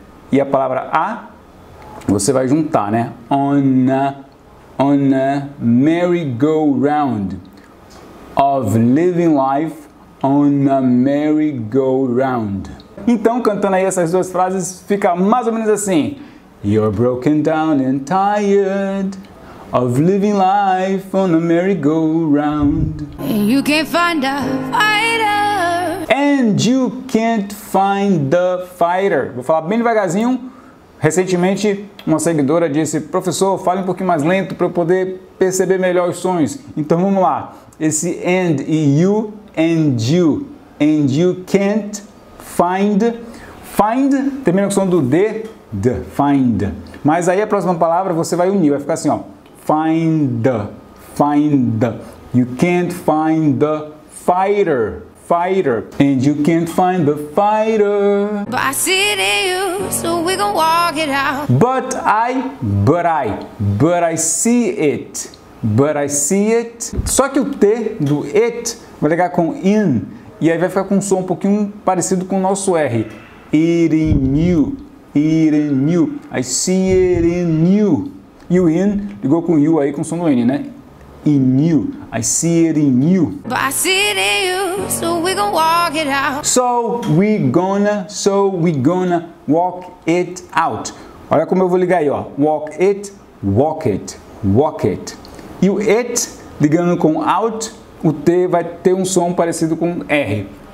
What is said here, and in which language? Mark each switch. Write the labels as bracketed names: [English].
[Portuguese] E a palavra a, você vai juntar, né? [English] On a merry-go-round. Of living life on a merry-go-round. [Portuguese] Então, cantando aí essas duas frases, fica mais ou menos assim. [English] You're broken down and tired of living life on a merry-go-round. And you can't find a fighter. And you can't find the fighter. [Portuguese] Vou falar bem devagarzinho. Recentemente, uma seguidora disse, professor, fale um pouquinho mais lento para eu poder perceber melhor os sons. Então vamos lá. Esse and e you, [English] and you. And you can't find. Find, [Portuguese] termina com o som do D, [English] D, find. [Portuguese] Mas aí a próxima palavra você vai unir, vai ficar assim, ó. [English] Find, find. You can't find the fighter. Fighter. And you can't find the fighter. But I see it in you, so we gon' walk it out. But I see it. But I see it. [Portuguese] Só que o T do it vai ligar com in. E aí vai ficar com um som um pouquinho parecido com o nosso R. [English] It in you. It in you. I see it in you. [Portuguese] E o in ligou com you aí com som do N, né? [English] In you, I see it in you. But I see it in you, so we gonna walk it out. So we gonna walk it out. [Portuguese] Olha como eu vou ligar aí, ó. [English] Walk it, walk it, walk it. [Portuguese] E o it ligando com out, o T vai ter um som parecido com R.